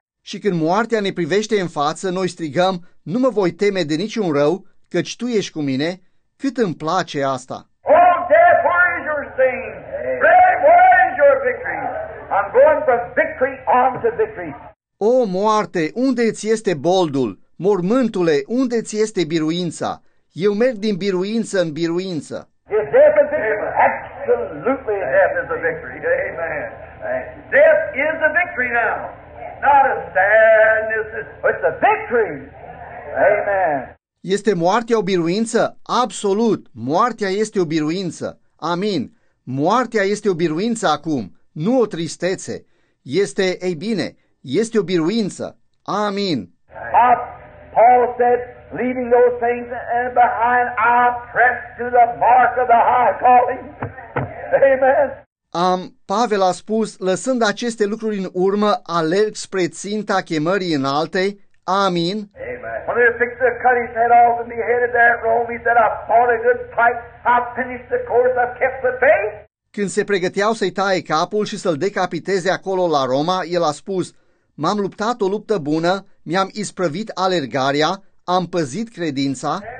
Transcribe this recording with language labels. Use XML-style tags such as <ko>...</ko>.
<ro>Și când moartea ne privește în față, noi strigăm, nu mă voi teme de niciun rău, căci Tu ești cu mine, cât îmi place asta.</ro> <en>Oh, death, where is your sting? Grave, where is your victory? I'm going from victory on to victory.</en> <ro>O, moarte, unde ți este boldul? Mormântule, unde ți este biruința? Eu merg din biruință în biruință.</ro> <en>Is death a victory? Amen. Absolutely, death is a victory. Amen. Death is a victory now. Not a sadness, but it's a victory. Amen.</en> <ro>Este moartea o biruință? Absolut, moartea este o biruință. Amin. Moartea este o biruință acum, nu o tristețe. Este, ei bine, este o biruință. Amin.</ro> <en>Paul said, leaving those things behind, I press to the mark of the high calling. Amen.</en> <ro>Pavel a spus, lăsând aceste lucruri în urmă, alerg spre ținta chemării înalte. Amin.</ro> <en>When they fixed the cut his head off and beheaded there at Rome, he said, I fought a good fight, I finished the course, I kept the faith.</en> <ro>Când se pregăteau să-i taie capul și să-l decapiteze acolo la Roma, el a spus, m-am luptat o luptă bună, mi-am isprăvit alergarea, am păzit credința.</ro>